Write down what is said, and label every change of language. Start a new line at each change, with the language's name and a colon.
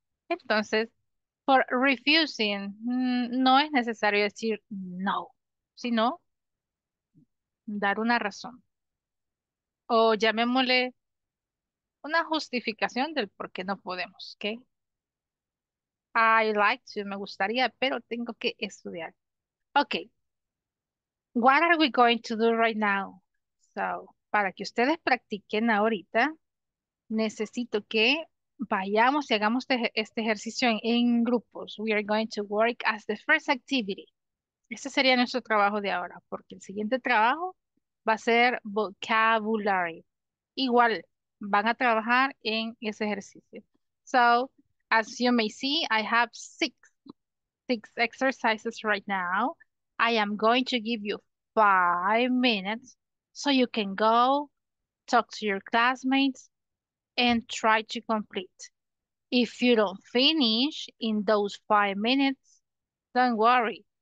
Spanish: Entonces,
English: for refusing,
Spanish: no es necesario decir no, sino dar una razón. O llamémosle una justificación del por qué no podemos, ¿ok?
English: I like to,
Spanish: me gustaría, pero tengo que estudiar.
English: Ok, what are we going to do right now?
Spanish: So, para que ustedes practiquen ahorita, necesito que vayamos y hagamos este ejercicio en grupos.
English: We are going to work as the first activity.
Spanish: Este sería nuestro trabajo de ahora, porque el siguiente trabajo va a ser vocabulary. Igual, van a trabajar en ese ejercicio. So,
English: As you may see, I have six exercises right now. I am going to give you 5 minutes so you can go talk to your classmates and try to complete. If you don't finish in those 5 minutes, don't worry.